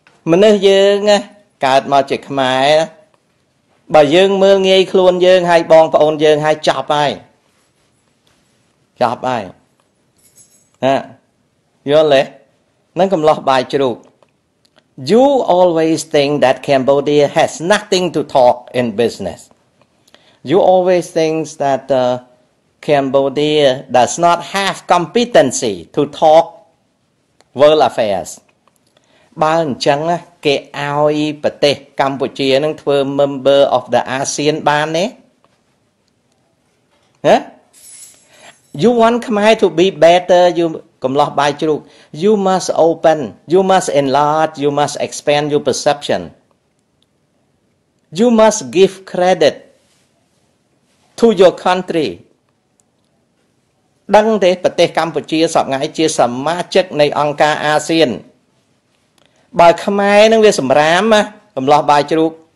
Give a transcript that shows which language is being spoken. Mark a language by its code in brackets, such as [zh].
[km] មនុស្សយើងកើតមកជាខ្មែរបើយើងមើលងាយខ្លួនយើងហើយបងប្អូនយើងហើយចាប់ហើយចាប់ហើយណាយល់ទេនឹងកំឡោះបាយជ្រូក [en] You always think that Cambodia has nothing to talk in business. You always think that Cambodia does not have competency to talk world affairs. [km] បើអញ្ចឹងគេឲ្យប្រទេសកម្ពុជានឹងធ្វើ [en] member of the ASEAN [km] បានទេ? [en] ហ៎ You want Khmer to be better you កំឡោះបាយជ្រូក you must open you must enlarge you must expand your perception you must give credit to your country [km] ដឹងទេប្រទេសកម្ពុជាសប្ងាយជាសមាជិកនៃអង្គការអាស៊ានបើខ្មែរនឹងវាសម្រាមកំឡោះបាយជ្រូក